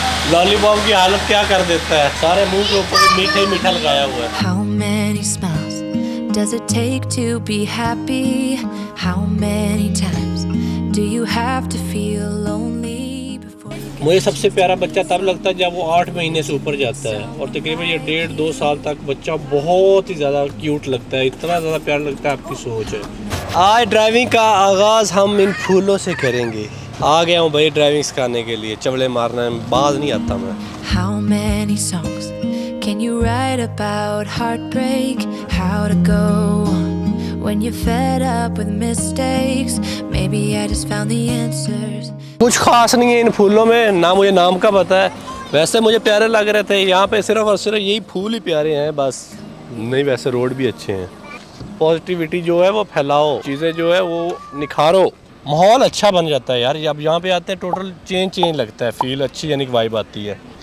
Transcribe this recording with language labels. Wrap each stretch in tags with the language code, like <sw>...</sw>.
<hi>Lollipop की हालत क्या कर देता है, सारे मुंह के ऊपर मीठे मीठा लगाया हुआ है।</hi> <en>How many smiles does it take to be happy? How many times do you have to feel lonely?</en> <hi>मुझे सबसे प्यारा बच्चा तब लगता है जब वो 8 महीने से ऊपर जाता है, और तकरीबन ये 1.5-2 साल तक बच्चा बहुत ही ज़्यादा क्यूट लगता है, इतना ज़्यादा प्यारा लगता है आपकी सोच है। आज ड्राइविंग का आगाज़ हम इन फूलों से करेंगे। आ गया हूँ भाई ड्राइविंग सिखाने के लिए, चवड़े मारने में बाज नहीं आता मैं।</hi> <en>How many songs can you write about heartbreak? How to go when you're fed up with mistakes? Maybe I just found the answers.</en> <hi>कुछ खास नहीं है इन फूलों में, ना मुझे नाम का पता है। वैसे मुझे प्यारे लग रहे थे यहाँ पे, सिर्फ और सिर्फ यही फूल ही प्यारे हैं बस। नहीं वैसे रोड भी अच्छे हैं। पॉजिटिविटी जो है वो फैलाओ, चीज़ें जो है वो निखारो, माहौल अच्छा बन जाता है यार। जब यहाँ पे आते हैं टोटल चेंज लगता है, फील अच्छी यानी वाइब आती है।</hi>